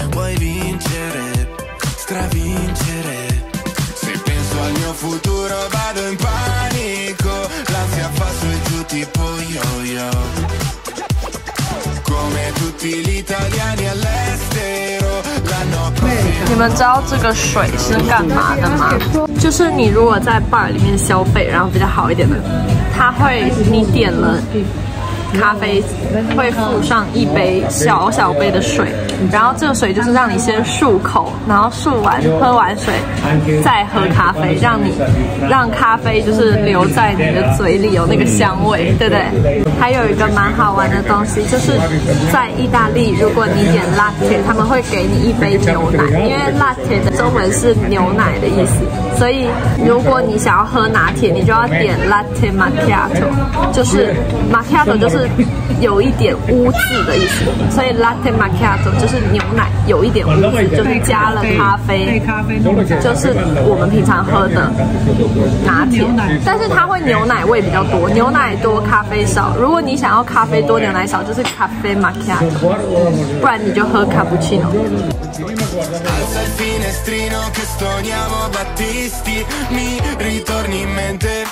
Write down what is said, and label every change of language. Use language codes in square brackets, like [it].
[it] Vuoi vincere, stravincere. Se penso al mio futuro vado in panico, l'ansia fa su e giù tipo yo-yo. Come tutti gli italiani all'estero l'hanno preso. [zh] 你们知道这个水是干嘛的吗？就是你如果在 bar 里面消费，然后比较好一点的，它会你点了咖啡会附上一杯小小杯的水，然后这个水就是让你先漱口，然后漱完喝完水再喝咖啡，让你让咖啡就是留在你的嘴里有那个香味，对不对？还有一个蛮好玩的东西，就是在意大利如果你点 latte， 他们会给你一杯牛奶，因为 latte 的中文是牛奶的意思，所以如果你想要喝拿铁你就要点 latte macchiato， 就是 macchiato 就是有一点污渍的意思，所以 latte macchiato 就是牛奶有一点污渍，就是加了咖啡，就是我们平常喝的拿铁，但是它会牛奶味比较多，牛奶多咖啡少，如果你想要咖啡多牛奶少就是 caffè macchiato， 不然你就喝 cappuccino。 [it] Alza il finestrino che stoniamo Battisti, mi ritorni in mente.